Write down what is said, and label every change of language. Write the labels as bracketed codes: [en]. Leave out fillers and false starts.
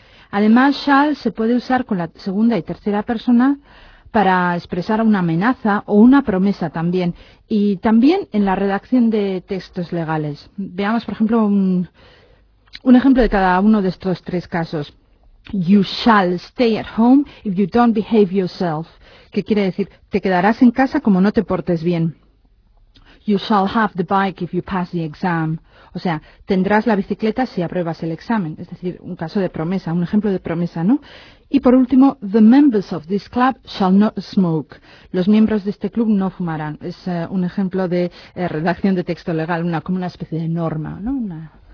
[es] Además, shall se puede usar con la segunda y tercera persona para expresar una amenaza o una promesa también, y también en la redacción de textos legales. Veamos, por ejemplo, un ejemplo de cada uno de estos tres casos. [en] You shall stay at home if you don't behave yourself. [es] ¿Qué quiere decir? Te quedarás en casa como no te portes bien. [en] You shall have the bike if you pass the exam. [es] O sea, tendrás la bicicleta si apruebas el examen. Es decir, un caso de promesa, un ejemplo de promesa, ¿no? Y por último, [en] the members of this club shall not smoke. [es] Los miembros de este club no fumarán. Es un ejemplo de redacción de texto legal, como una especie de norma, ¿no?